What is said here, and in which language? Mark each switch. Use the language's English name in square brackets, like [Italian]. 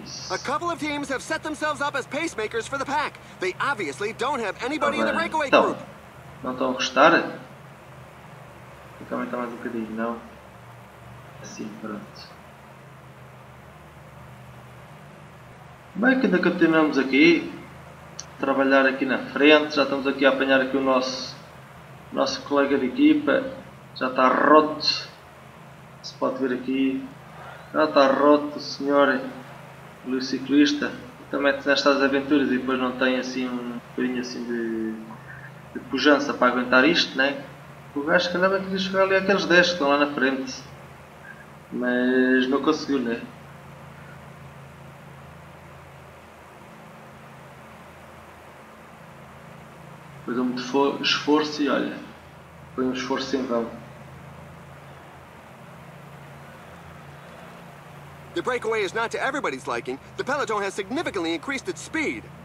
[English] A couple of teams have set themselves up as pacemakers for the pack. They obviously don't have anybody in the breakaway group. [Portuguese] Não estão a gostar? Tem que aumentar mais um bocadinho, não? Assim, pronto. Bem, que ainda continuamos aqui a trabalhar aqui na frente. Já estamos aqui a apanhar aqui o nosso colega de equipa. Já está roto. Se pode ver aqui. Já está roto o senhor Luís Ciclista. Também nestas aventuras e depois não tem assim um bocadinho assim de pujança para aguentar isto, né? O gajo que andava queria chegar ali aqueles 10 que estão lá na frente. Mas não conseguiu, né? Foi um esforço e olha, foi um esforço em vão. [English] The breakaway is not to everybody's liking. The peloton has significantly increased its speed.